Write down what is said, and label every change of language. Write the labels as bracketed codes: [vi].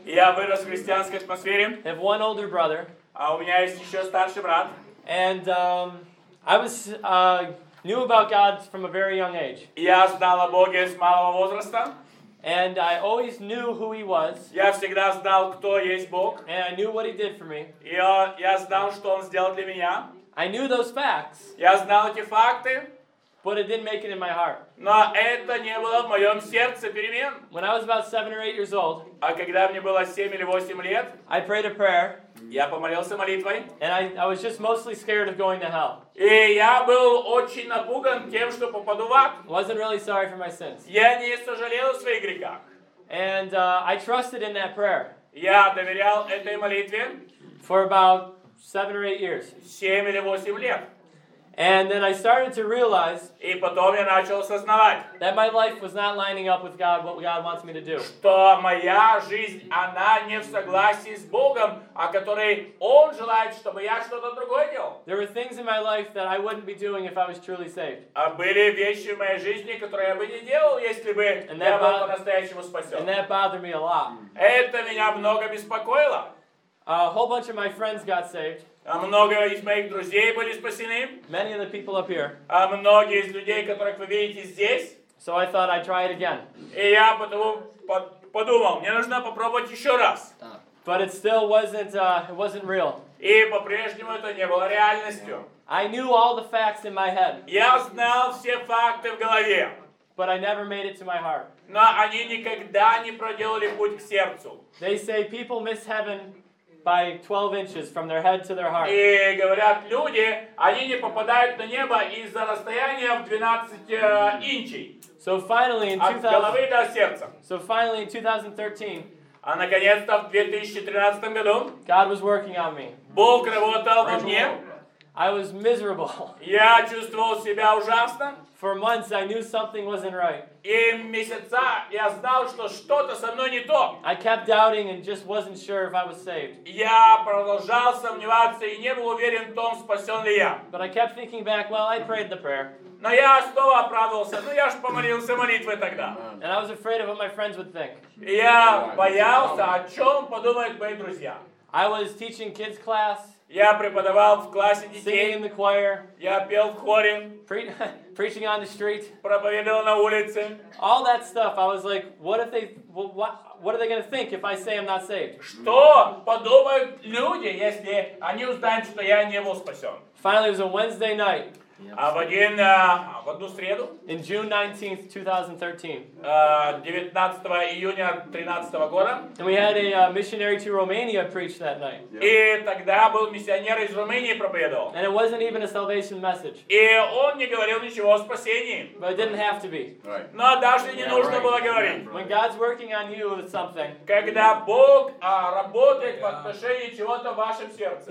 [ru] Я вырос в христианской атмосфере. [en] Have one older brother. [ru] А у меня есть еще старший брат. [en] And I was knew about God from a very young age. [ru] Я знал о Боге с малого возраста. [en] And I always knew who he was. [ru] Я всегда знал, кто есть Бог. [en] And I knew what he did for me. [ru] Я знал, что он сделал для меня. [en] I knew those facts. [ru] Я знал эти факты. [en] But it didn't make it in my heart. [ru] Но это не было в моем сердце перемен. [en] When I was about 7 or 8 years old, [ru] а когда мне было 7 или 8 лет, [en] I prayed a prayer. [ru] Я помолился молитвой. [en] And I was just mostly scared of going to hell. [ru] И я был очень напуган тем, что попаду в ад. [en] Wasn't really sorry for my sins. [ru] Я не сожалел о своих грехах. [en] And I trusted in that prayer. [ru] Я доверял этой молитве. [en] For about 7 or 8 years. [ru] 7 или 8 лет. [en] And then I started to realize, [ru] и потом я начал осознавать, [en] that my life was not lining up with God, what God wants me to do. [ru] Что моя жизнь, она не в согласии с Богом, о которой Он желает, чтобы я что-то другое делал. [en] There were things in my life that I wouldn't be doing if I was truly saved. [ru] А были вещи в моей жизни, которые я бы не делал, если бы я был по-настоящему спасен. [en] And that bothered me a lot. [ru] Это меня много беспокоило. [en] A whole bunch of my friends got saved. [ru] Много из моих друзей были спасены. [en] Many of the people up here. [ru] А многие из людей, которых вы видите здесь. [en] So I thought I'd try it again. [ru] И я подумал, мне нужно попробовать еще раз. [en] But it still wasn't, it wasn't real. [ru] И по-прежнему это не было реальностью. [en] I knew all the facts in my head. [ru] Я знал все факты в голове. [en] But I never made it to my heart. [ru] Но они никогда не проделали путь к сердцу. [en] They say people miss heaven by 12 inches from their head to their heart. [ru] И говорят люди, они не попадают на небо из-за расстояния в 12 инчей. [en] So finally in 2013. [ru] А наконец-то в 2013 году. [en] God was working on me. [ru] Бог работал во мне. [en] I was miserable. [ru] Я чувствовал себя ужасно. [en] For months I knew something wasn't right. [ru] И месяца я знал, что что-то со мной не то. [en] I kept doubting and just wasn't sure if I was saved. [ru] Я продолжал сомневаться и не был уверен в том, спасен ли я. [en] But I kept thinking back, well, I prayed the prayer. [ru] Но я снова оправдывался, ну я ж помолился молитвой тогда. [en] And I was afraid of what my friends would think. [ru] Я боялся, о чем подумают мои друзья. [en] I was teaching kids class. [ru] Я преподавал в классе детей. [en] Singing in the choir. [ru] Я пел в хоре. [en] Preaching on the street. [ru] Проповедовал на улице. [en] All that stuff. I was like, what if they, what are they going to think if I say I'm not saved? [ru] Что подумают люди, если они узнают, что я не был спасен? [en] Finally, it was a Wednesday night. [ru] А в один в одну среду? [en] In June 19th, 2013. [ru] 19 июня 13 года. [en] And we had a missionary to Romania preach that night. [ru] И тогда был миссионер из Румынии проповедовал. [en] And it wasn't even a salvation message. [ru] И он не говорил ничего о спасении. [en] But it didn't have to be. Right. [ru] Но даже не нужно было говорить. [en] Yeah, right. When God's working on you with something. [ru] Когда Бог работает в отношении чего-то в вашем сердце.